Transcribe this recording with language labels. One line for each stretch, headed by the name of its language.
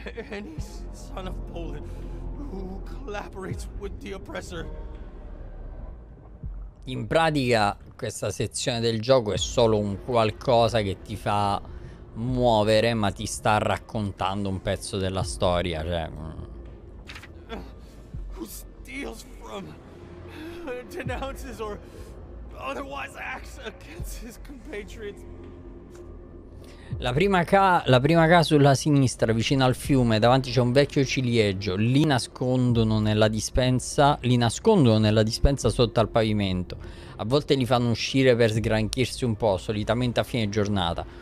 English: Any son of Poland who collaborates with the oppressor.
Italian: In pratica, questa sezione del gioco è solo un qualcosa che ti fa muovere, ma ti sta raccontando un pezzo della storia,
English: Who steals from, denounces or otherwise acts against his compatriots.
Italian: La prima casa sulla sinistra, vicino al fiume, davanti c'è un vecchio ciliegio. Li nascondono nella dispensa sotto al pavimento. A volte li fanno uscire per sgranchirsi un po', solitamente a fine giornata.